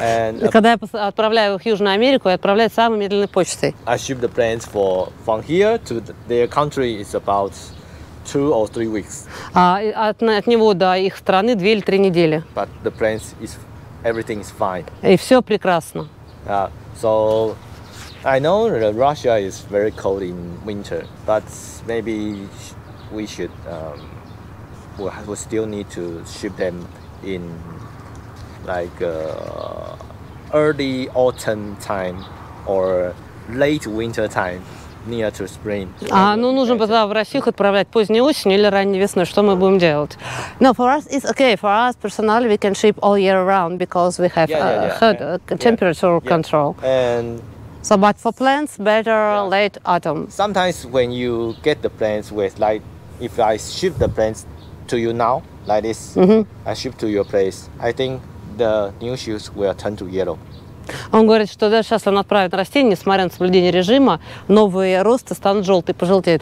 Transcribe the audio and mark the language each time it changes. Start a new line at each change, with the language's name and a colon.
Russian: And когда я отправляю их в Южную Америку, я отправляю самой медленной почтой.
English: I ship the plants from here to their country is about 2 or 3 weeks.
Russian: От него до их страны 2 или 3 недели.
English: But the plants is everything is fine.
Russian: И все прекрасно.
English: So I know that Russia is very cold in winter, but maybe we should we still need to ship them in like early autumn time or late winter time near to spring.
Russian: Ну нужно бы в Россию отправлять поздней осенью или ранней весной, что мы будем делать?
English: No, for us it's okay. For us personally we can ship all year round because we have temperature control. And so but for plants better late autumn. Sometimes when you get the plants with like if I ship the plants to you now, like this, mm-hmm. I ship to your place, I think the new shoots will turn to yellow.
Russian: Он говорит, что даже сейчас он отправит растение, несмотря на соблюдение режима, новые росты станут желтые, пожелтеют.